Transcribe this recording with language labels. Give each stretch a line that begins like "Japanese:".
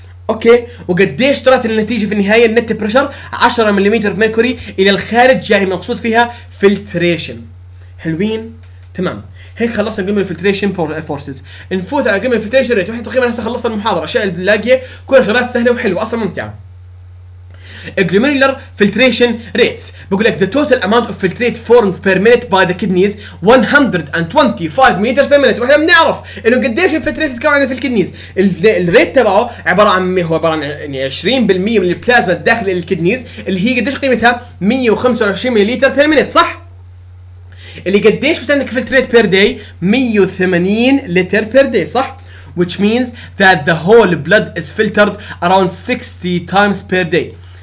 Arabic: اوكي, وقديش طلعت النتيجه في النهايه؟ النت بريشر 10 مليمتر ميركوري الى الخارج, يعني مقصود فيها فلتريشن. حلوين, تمام. هيك خلصنا قيمة الفلتريشن فورسز. نفوت على قيمة الفلتريشن ريت. واحنا تقريبا هسه خلصنا المحاضرة, اشياء البلاقية كلها شغلات سهلة وحلوة اصلا ممتعة. الجلوميرولر فلتريشن ريتس بقول لك
English: the total amount of filtrate formed per minute by the kidneys 125 meters per minute.
Arabic: واحنا بنعرف انه قديش الفلتريت تتكون في الكيدنيز. الريت تبعه عبارة عن هو عبارة عن 20% من البلازما الداخل الكيدنيز اللي هي قديش قيمتها؟ 125 مليلتر per minute, صح؟ اللي قديش بس عندك فلتريت بير داي 180 لتر بير داي, صح؟
English: which means that the whole blood is filtered around 60 times per day.